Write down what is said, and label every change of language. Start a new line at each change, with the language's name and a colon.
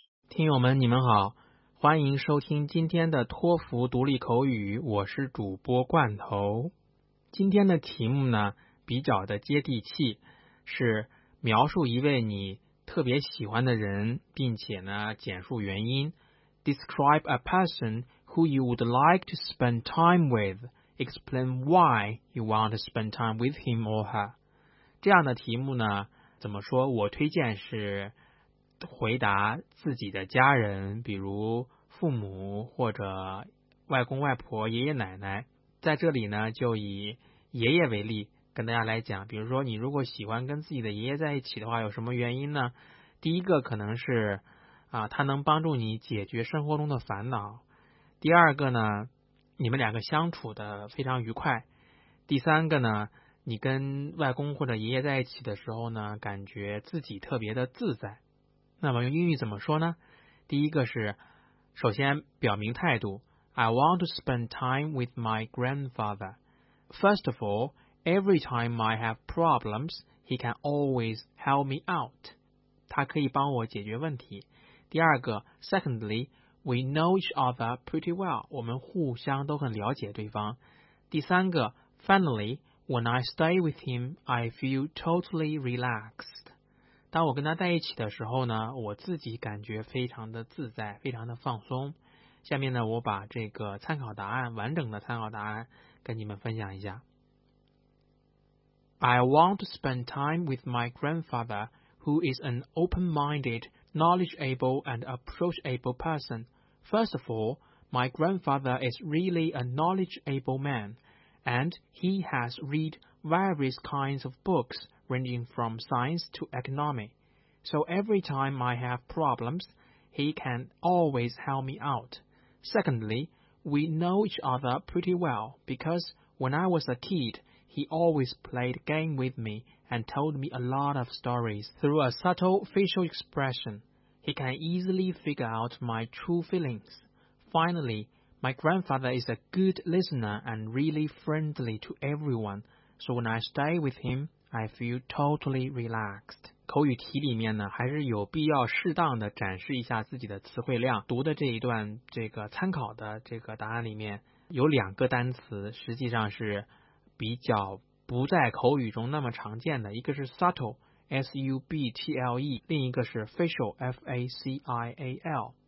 Chinese: 听友们，你们好，欢迎收听今天的托福独立口语，我是主播罐头。今天的题目呢，比较的接地气，是描述一位你特别喜欢的人，并且呢，简述原因。
English: Describe a person who you would like to spend time with. Explain why you want to spend time with him or her.
Chinese: 这样的题目呢，怎么说？我推荐是回答自己的家人，比如父母或者外公外婆、爷爷奶奶。在这里呢，就以爷爷为例跟大家来讲，比如说你如果喜欢跟自己的爷爷在一起的话，有什么原因呢？第一个可能是他能帮助你解决生活中的烦恼。第二个呢，你们两个相处的非常愉快。第三个呢，你跟外公或者爷爷在一起的时候呢，感觉自己特别的自在。那么用英语怎么说呢？第一个是，首先表明态度，
English: I want to spend time with my grandfather. First of all, every time I have problems, he can always help me out.
Chinese: 他可以帮我解决问题。第二个，
English: Secondly, we know each other pretty well.
Chinese: 我们互相都很了解对方。第三个，
English: Finally, when I stay with him, I feel totally relaxed.
Chinese: 当我跟他在一起的时候呢，我自己感觉非常的自在，非常的放松。下面呢，我把这个参考答案，完整的参考答案跟你们分享一下。
English: I want to spend time with my grandfather, who is an open-minded, knowledgeable, and approachable person. First of all, my grandfather is really a knowledgeable man, and he has read various kinds of books,ranging from science to economy. So every time I have problems, he can always help me out. Secondly, we know each other pretty well, because when I was a kid, he always played a game with me and told me a lot of stories through a subtle facial expression. He can easily figure out my true feelings. Finally, my grandfather is a good listener and really friendly to everyone, so when I stay with him,I feel totally relaxed.
Chinese: 口语题里面呢，还是有必要适当的展示一下自己的词汇量。读的这一段这个参考的这个答案里面，有两个单词实际上是比较不在口语中那么常见的，一个是 subtle, S-U-B-T-L-E, 另一个是 facial, F-A-C-I-A-L.